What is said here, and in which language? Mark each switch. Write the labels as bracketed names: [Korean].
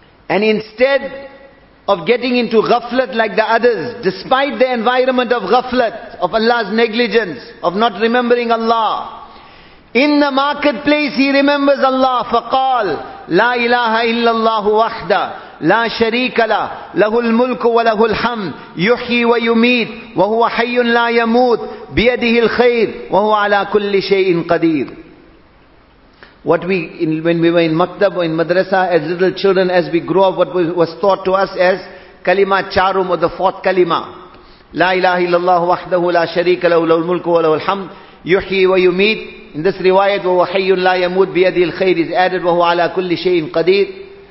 [English] and instead of getting into ghaflat like the others, despite the environment of ghaflat, of Allah's negligence, of not remembering Allah, in the marketplace he remembers Allah. [Arabic] فقال لا إله إلا الله وحده لا شريك له له الملك وله الحمد يحيي ويميت وهو حي لا يموت بيده الخير وهو على كل شيء قدير. [English] What we, when we were in maktab or in madrasa, as little children, as we grew up, what was taught to us as kalima charum, or the fourth kalima, [Arabic] لا إله إلا الله وحده لا شريك له له الملك وله الحمد يحيي ويميت. [English] In this riwayat, [Arabic] wa hayyun la yamut bi yadil khair [English] is added, [Arabic] wa huwa ala kulli shay'in qadir.